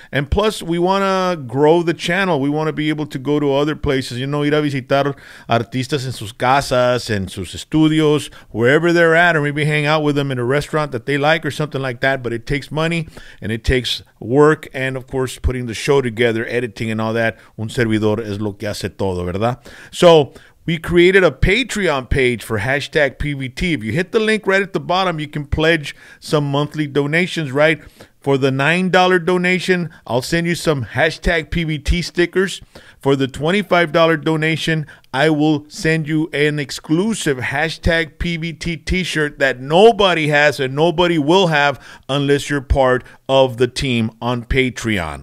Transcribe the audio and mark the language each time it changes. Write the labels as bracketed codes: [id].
[en] And plus, we want to grow the channel. We want to be able to go to other places, you know, [es] ir a visitar artistas en sus casas, en sus estudios, [en] wherever they're at, or maybe hang out with them in a restaurant that they like or something like that. But it takes money, and it takes work, and of course, putting the show together, editing and all that. [es] Un servidor es lo que hace todo, ¿verdad? [en] So we created a Patreon page for hashtag PVT. If you hit the link right at the bottom, you can pledge some monthly donations, right? For the $9 donation, I'll send you some hashtag PVT stickers. For the $25 donation, I will send you an exclusive hashtag PVT t-shirt that nobody has and nobody will have unless you're part of the team on Patreon.